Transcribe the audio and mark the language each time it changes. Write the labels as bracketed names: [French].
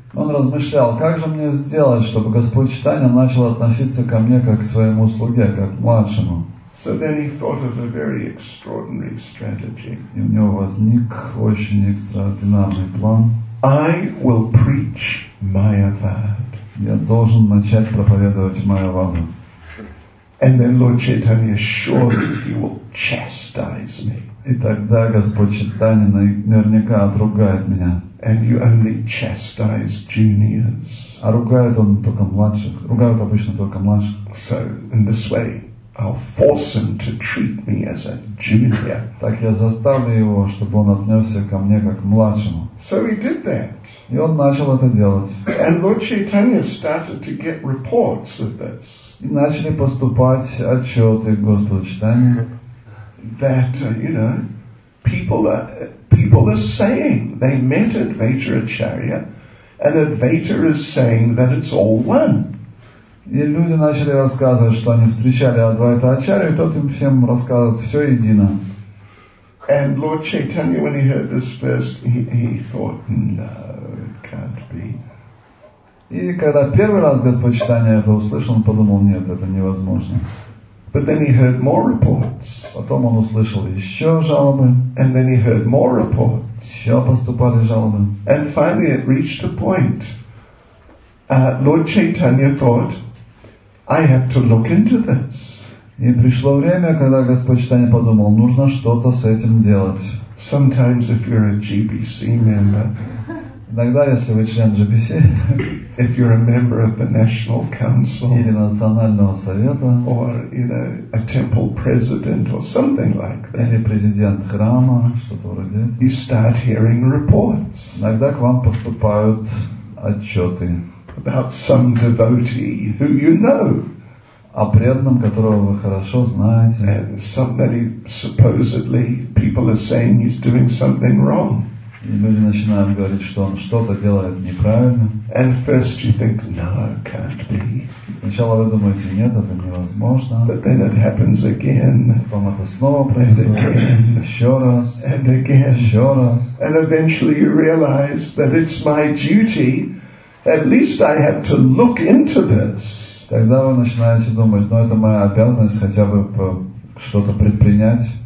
[Russian] Он размышлял, как же мне сделать, чтобы Господь Читания начал относиться ко мне как к своему слуге, как к младшему. [English] So then he thought of a very extraordinary strategy. [Russian] И у него возник очень экстраординарный план. [English] I will preach Mayavad. [Russian] Я должен начать проповедовать Майяваду. [English] And then Lord Chaitanya surely he will chastise me. [Russian] И тогда Господь Читания наверняка отругает меня. [English] And you only chastise juniors. [Russian] А ругает он только младших. Ругают обычно только младших. [English] So in this way, I'll force him to treat me as a junior. [Russian] Так я заставлю его, чтобы он отнесся ко мне как к младшему. [English] So he did that. [Russian] И он начал это делать. [English] And Lord Chaitanya started to get reports of this. [Russian] И начали поступать отчеты к Господу Чайтанье. [English] That you know, people are saying they met Advaita Acharya, and Advaita is saying that it's all one. [Russian] И люди начали рассказывать, что они встречали Адвайта Ачарью, и тот им всем рассказывает, все едино. [English] And Lord Chaitanya, when he heard this first, he thought, no, it can't be. [Russian] И когда первый раз Господь Чайтанья это услышал, он подумал, нет, это невозможно. [English] But then he heard more reports. [Russian] Потом он услышал еще жалобы. [English] And then he heard more reports. [Russian] Еще поступали жалобы. [English] And finally it reached a point. Lord Chaitanya thought, I have to look into this. [Russian] И пришло время, когда Господь Чайтанья подумал, нужно что-то с этим делать. [English] Sometimes if you're a GBC member, [Russian] иногда, если вы член GBC, [English] if you're a member of the National Council, [Russian] или Национального Совета, [English] or you know, a temple president or something like that, [Russian] или президент храма, что-то вроде, [English] you start hearing reports. [Russian] Иногда к вам поступают отчеты. [English] About some devotee who you know, [Russian] о преданном, которого вы хорошо знаете, [English] and somebody supposedly people are saying he's doing something wrong. [Russian] И люди начинают говорить, что он что-то делает неправильно. [English] And first you think, no, can't be. [Russian] Сначала вы думаете, нет, это невозможно. [English] But then it happens again. [Russian] Потом это снова происходит. Еще раз. [English] And again. [Russian] Еще раз. [English] And eventually you realize that it's my duty. At least I have to look into this. [Russian] Тогда вы начинаете думать, ну это моя обязанность хотя бы что-то предпринять.